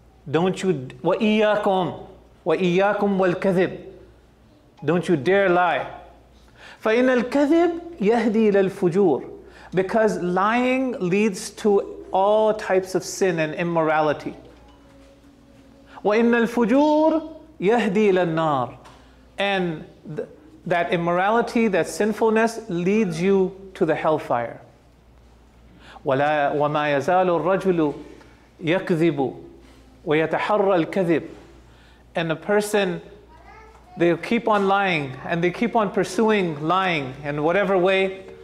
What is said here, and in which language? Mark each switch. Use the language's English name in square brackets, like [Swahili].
[English] Don't you, [Arabic] وَإِيَّاكُمْ وَالْكَذِبِ. [English] Don't you dare lie. [Arabic] فَإِنَّ الْكَذِبِ يَهْدِي إِلَى الْفُجُورِ. [English] Because lying leads to all types of sin and immorality. [Arabic] وَإِنَّ الْفُجُورِ يَهْدِي إِلَى النَّارِ. [English] And that immorality, that sinfulness leads you to the hellfire. [Arabic] وَمَا يَزَالُ الرَّجُلُ يَكْذِبُ وَيَتَحَرَّ الْكَذِبُ. [English] And a person, they keep on lying and they keep on pursuing lying in whatever way.